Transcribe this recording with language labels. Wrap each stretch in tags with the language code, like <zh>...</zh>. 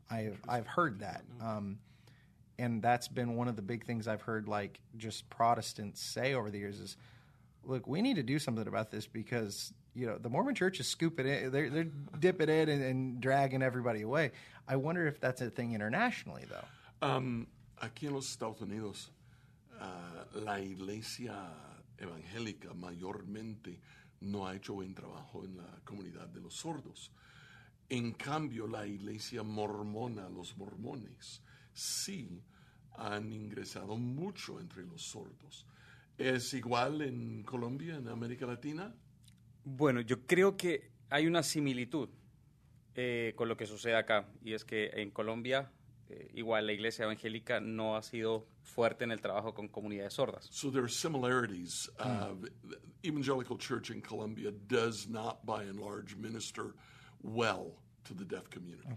<en>I've heard that. And that's been one of the big things I've heard, like, just Protestants say over the years is, look, we need to do something about this because, you know, the Mormon church is scooping it. They're dipping it and dragging everybody away. I wonder if that's a thing internationally, though.</en> <es>Aquí en los Estados Unidos, la iglesia evangélica mayormente no ha hecho buen trabajo en la comunidad de los sordos. En cambio, la iglesia mormona, los mormones, sí han ingresado mucho entre los sordos. ¿Es igual en Colombia, en América Latina? Bueno, yo creo que hay una similitud con lo que sucede acá, y es que en Colombia, igual la iglesia evangélica no ha sido fuerte en el trabajo con comunidades sordas.</es> <en>So there are similarities. The Evangelical Church in Colombia does not, by and large, minister well to the deaf community.</en>